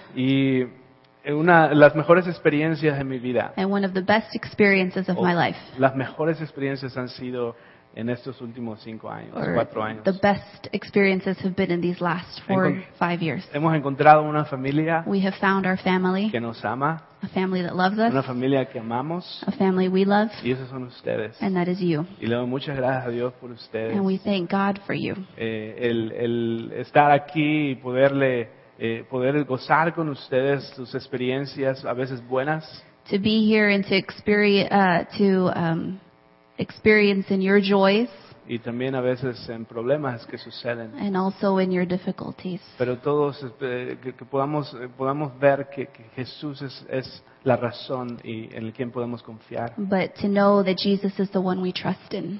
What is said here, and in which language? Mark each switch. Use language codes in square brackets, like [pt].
[es] Y una de las mejores experiencias de mi vida. [en] And one of the best experiences of my life. [es] Las mejores experiencias han sido en estos últimos 4 años. [en] The best experiences have been in these last 4 or 5 years. [es] Hemos encontrado una familia. [en] We have found our family. [es] Que nos ama. [en] A family that loves us. [es] Una familia que amamos. [en] A family we love. [es] Y esos son ustedes. [en] And that is you. [es] Y le doy muchas gracias a Dios por ustedes. [en] And we thank God for you. [es] El estar aquí y poder gozar con ustedes sus experiencias a veces buenas. [en] To be here and to experience in your joys. [es] Y también a veces en problemas que suceden. [en] And also in your difficulties. [es] Pero todos que podamos ver que Jesús es la razón y en quien podemos confiar. [en] But to know that Jesus is the one we trust in.